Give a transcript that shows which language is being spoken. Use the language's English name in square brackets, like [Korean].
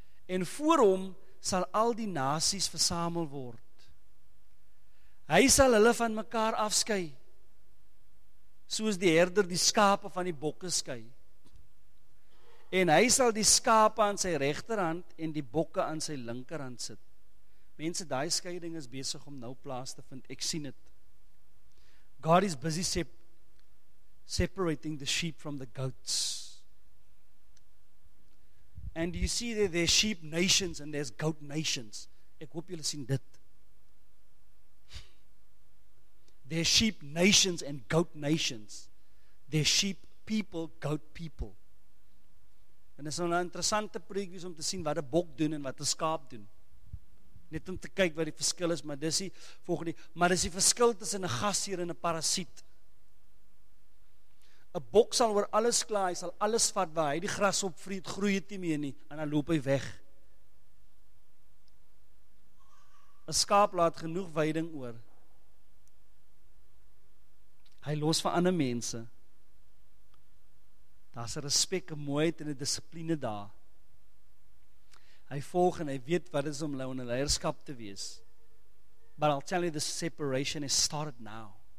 [Afrikaans] En voor hom sal al die nasies versamel word. Hy sal hulle van mekaar afskei, soos die herder die skape van die bokke skei. En hy sal die skape aan sy regterhand en die bokke aan sy linkerhand sit. Mense, daai skeiding is besig om nou plaas te vind. Ek sien het. [English] God is busy separating the sheep from the goats. And you see that there's sheep nations and there's goat nations. [Afrikaans] Ek hoop julle sien dit. [English] There's sheep nations and goat nations. There's sheep people, goat people. [Afrikaans] En dit is nou 'n interessante preekies om te sien wat 'n bok doen en wat 'n skaap doen. Net om te kyk wat die verskil is, maar dis die volgende, maar dis die verskil tussen 'n gasheer en 'n parasiet. 'N bok sal oor alles kla, hy sal alles vat waar hy die gras op vreet, groei het nie meer nie, en dan loop hy weg. 'N skaap laat genoeg weiding oor. Hy los vir ander mense. Daar's 'n respek, 'n mooiheid en 'n dissipline daar. Hy volg en hy weet wat is om in 'n leierskap te wees. [English] But I'll tell you, the separation has started now.